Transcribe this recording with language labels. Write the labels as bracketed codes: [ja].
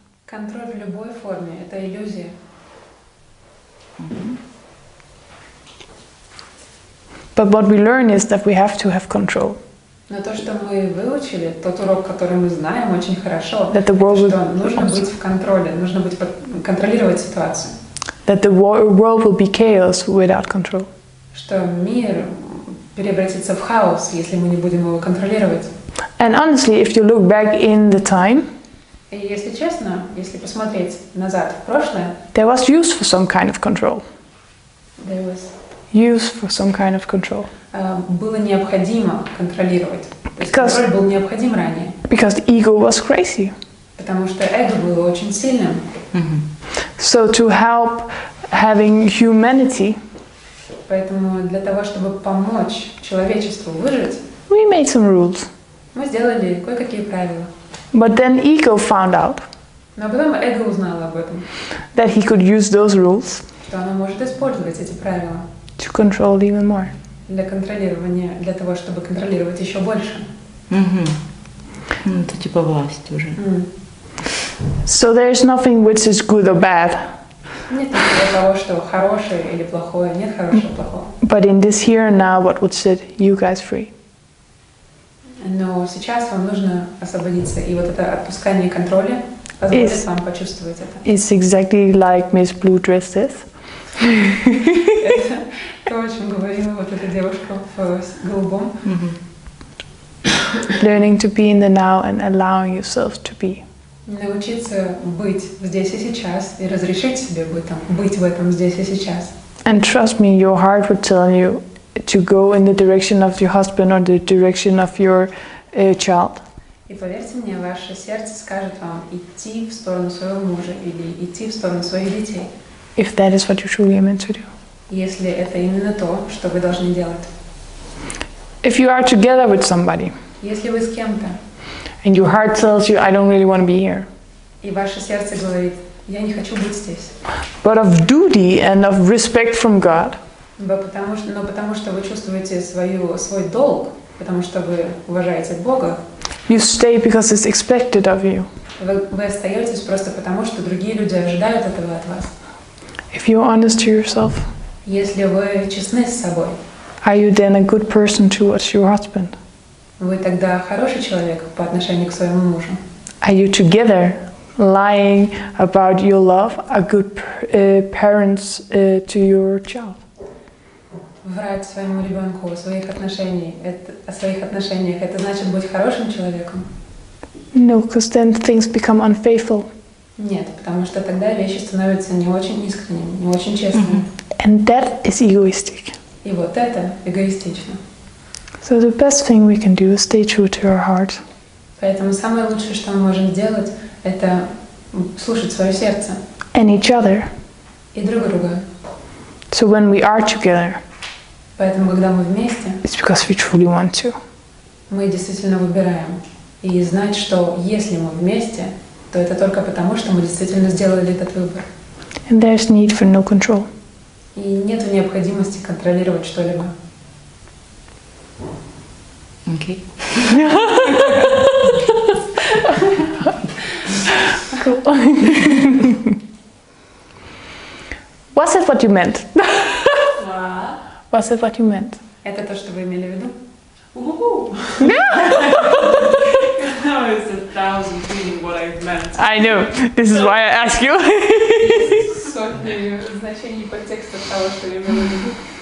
[ru] Контроль в любой форме – это иллюзия. [en] But what we learn is that we have to have control. [ru] Но то, что мы выучили, тот урок, который мы знаем очень хорошо, [en] that the world [ru] что нужно быть в контроле, нужно быть контролировать ситуацию. [en] That the world will be chaos without control. [ru] Что мир превратиться в хаос, если мы не будем его контролировать. [en] And honestly, if you look back in the time, [ru] и если честно, если посмотреть назад в прошлое, [en] there was use for some kind of control. There was use for some kind of control. [ru] Было необходимо контролировать. [en] Because [ru] контроль был необходим ранее. [en] Because the ego was crazy. [ru] Потому что эго было очень сильным. Mm-hmm. [en] So to help having humanity. [ru] Поэтому для того, чтобы помочь человечеству выжить, [en] we made some rules. [ru] Мы сделали кое-какие правила. [en] But then ego found out. [ru] Но потом эго узнало об этом. [en] That he could use those rules. [ru] Что оно может использовать эти правила. [en] To control even more. [ru] Для контролирования, для того, чтобы контролировать еще больше. Mm-hmm. Это типа власть уже. Mm. [en] So there's nothing which is good or bad. [ru] Нет ничего того, что хорошее или плохое. Нет хорошего, плохого. [en] But in this here and now, what would set you guys free? [ru] Но сейчас вам нужно освободиться, и вот это отпускание контроля позволит вам почувствовать это. [en] It's exactly like Miss Blue Dress says. [ru] Это то, о чем говорила вот эта девушка в голубом. [en] Learning to be in the now and allowing yourself to be. [ru] Научиться быть здесь и сейчас и разрешить себе быть в этом здесь и сейчас. [en] And trust me, your heart would tell you to go in the direction of your husband or the direction of your child. [ru] И поверьте мне, ваше сердце скажет вам идти в сторону своего мужа или идти в сторону своих детей. [en] if that is what you truly are meant to do. [ru] Если это именно то, что вы должны делать. [en] If you are together with somebody. [ru] Если вы с кем-то. [en] And your heart tells you, I don't really want to be here. [ru] И ваше сердце говорит, я не хочу быть здесь. [en] But of duty and of respect from God. [ru] Но потому что вы чувствуете свой долг, потому что вы уважаете Бога. [en] You stay because it's expected of you. [ru] Вы остаетесь просто потому, что другие люди ожидают этого от вас. [en] If you're honest to yourself. [ru] Если вы честны с собой. [en] Are you then a good person towards your husband? [ru] Вы тогда хороший человек по отношению к своему мужу? [en] Are you together, lying about your love, a good parents to your child? [ru] Врать своему ребенку о своих отношениях, это значит быть хорошим человеком? [en] No, because then things become unfaithful. [ru] Нет, потому что тогда вещи становятся не очень искренними, не очень честными. Mm-hmm. [en] And that is egoistic. [ru] И вот это эгоистично. [en] So the best thing we can do is stay true to our heart. [ru] Поэтому самое лучшее, что мы можем сделать, это слушать свое сердце. [en] And each other. [ru] И друг друга. [en] So when we are together. [ru] Поэтому когда мы вместе. [en] It's because we truly want to. [ru] Мы действительно выбираем. И знать, что если мы вместе, то это только потому, что мы действительно сделали этот выбор. [en] And there's need for no control. [ru] И нет необходимости контролировать что-либо. [en] Okay. Was it what you meant? What? Was it what you meant? [ru] Это то, что вы имели в виду? [en] Now it's a thousand meaning what I meant. I know. This is why I ask you. [ru] Сотни значений по тексту того, что я имела в виду.